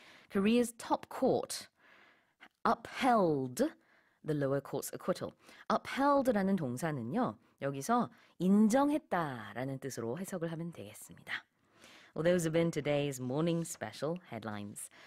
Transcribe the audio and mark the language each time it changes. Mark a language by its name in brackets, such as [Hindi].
[English] Korea's top court upheld the lower court's acquittal. [Korean] Upheld라는 동사는요. 여기서 인정했다라는 뜻으로 해석을 하면 되겠습니다. [English] Well, those have been today's morning special headlines.